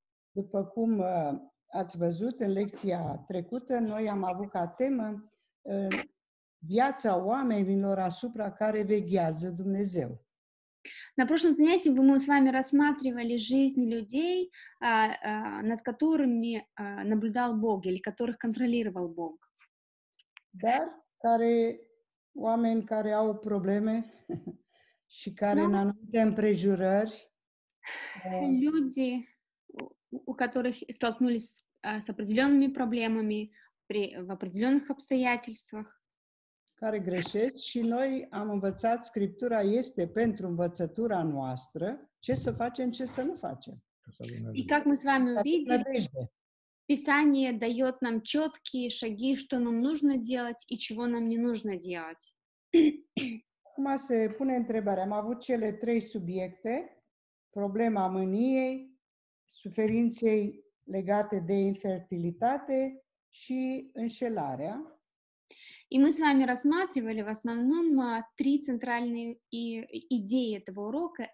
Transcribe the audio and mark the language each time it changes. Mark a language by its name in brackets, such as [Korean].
[Romanian] După cum ați văzut în lecția trecută, noi am avut ca temă viața oamenilor asupra care veghează Dumnezeu. [Russian] На прошлом занятии мы с вами рассматривали жизни людей, над которыми наблюдал Бог или которых контролировал Бог. [Romanian] Dar care oameni care au probleme și care în anumite împrejurări [Russian] люди, у которых столкнулись с определенными проблемами при в определенных обстоятельствах. [Romanian] Care greșesc și noi am învățat, Scriptura este pentru învățătura noastră, ce să facem, ce să nu facem. [Russian] И как мы с вами увидели, Писание дает нам четкие шаги, что нам нужно делать и чего нам не нужно делать. [Romanian] Acum se pune întrebarea, am avut cele trei subiecte, problema mâniei, suferinței legate de infertilitate și înșelarea. [Russian] И мы с вами рассматривали в основном три центральные идеи этого урока.